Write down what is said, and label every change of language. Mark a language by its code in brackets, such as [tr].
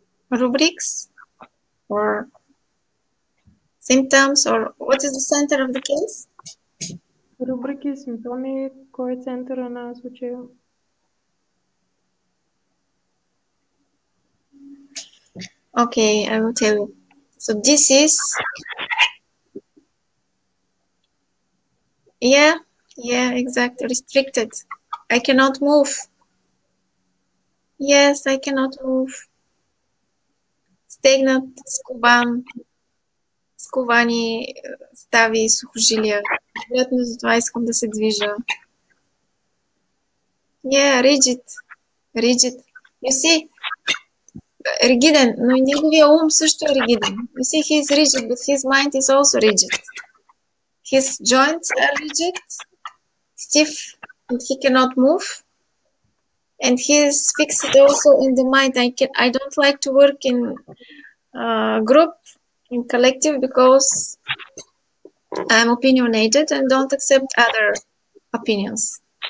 [en] Rubrics or symptoms or what is the center of the case? [bg] Рубрики, симптоми, кой е центъра на случая? [en] Okay, I will tell you. So this is, yeah, exactly, restricted. I cannot move. Yes, I cannot move. [bg] Стегнат, скубан, скувани стави и сухожилия. Вероятно, затова искам да се движа. [en] Yeah, rigid. You see? [bg] Ригиден, но и неговия ум също е ригиден. [en] You see, he is rigid, but his mind is also rigid. His joints are rigid, stiff, and he cannot move. And he is fixed also in the mind. I don't like to work in group, in collective, because I'm opinionated and don't accept other opinions.